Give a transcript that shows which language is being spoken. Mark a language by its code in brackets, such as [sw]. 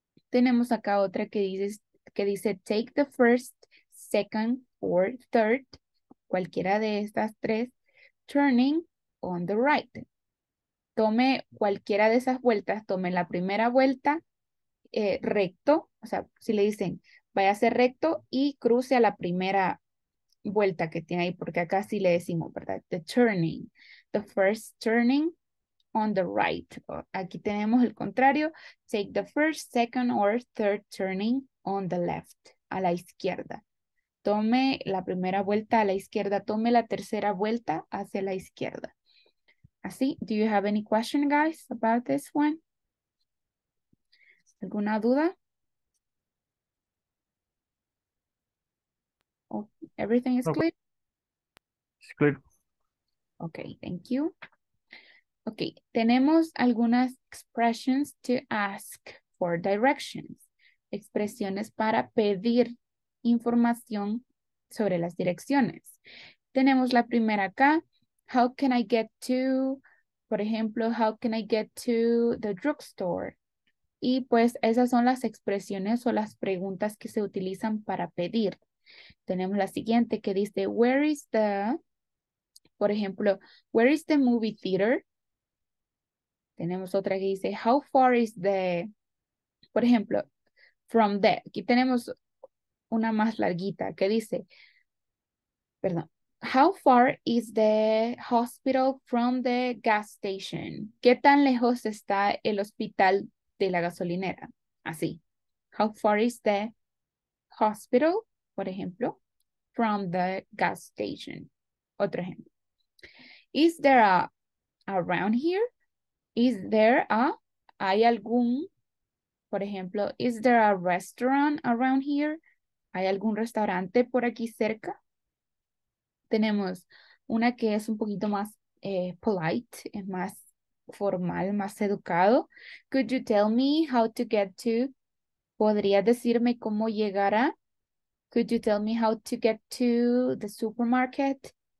[es] Tenemos acá otra que dice [en] take the first, second or third, [es] cualquiera de estas tres, [en] turning on the right. [es] Tome cualquiera de esas vueltas, tome la primera vuelta recto, o sea, si le dicen vaya a ser recto y cruce a la primera vuelta que tiene ahí, porque acá sí le decimos, ¿verdad? [en] The turning, the first turning on the right. [es] Aquí tenemos el contrario, [en] take the first, second or third turning on the left, [es] a la izquierda. Tome la primera vuelta a la izquierda, tome la tercera vuelta hacia la izquierda. [en] Así, do you have any question, guys, about this one? [es] ¿Alguna duda? [en] Oh, everything is clear? It's clear. Okay, thank you. Okay, [es] tenemos algunas [en] expressions to ask for directions. [es] Expresiones para pedir información sobre las direcciones. Tenemos la primera acá. [en] How can I get to, [es] por ejemplo, [en] how can I get to the drugstore? [es] Y pues esas son las expresiones o las preguntas que se utilizan para pedir. Tenemos la siguiente que dice, [en] where is the, [es] por ejemplo, [en] where is the movie theater? [es] Tenemos otra que dice, [en] how far is the, [es] por ejemplo, [en] from the. [es] Aquí tenemos una más larguita que dice, perdón. [en] How far is the hospital from the gas station? [es] ¿Qué tan lejos está el hospital de la gasolinera? [en] Así. How far is the hospital, [es] por ejemplo, [en] from the gas station? [es] Otro ejemplo. [en] Is there a around here? Is there a, [es] hay algún, por ejemplo, [en] is there a restaurant around here? [es] ¿Hay algún restaurante por aquí cerca? Tenemos una que es un poquito más polite, es más formal, más educado. [en] Could you tell me how to get to? [es] ¿Podría decirme cómo llegar a? [en] Could you tell me how to get to the supermarket?